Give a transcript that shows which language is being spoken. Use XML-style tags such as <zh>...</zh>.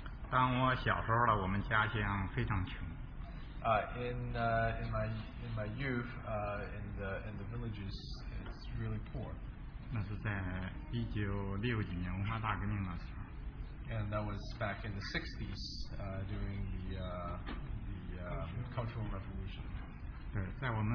<zh>当我小时候了，我们家乡非常穷。</zh> <en>In my youth, in the villages, it's really poor.</en> <zh>那是在1960年文化大革命的时候。</zh> <en>And that was back in the 60s, during the Cultural Revolution.</en>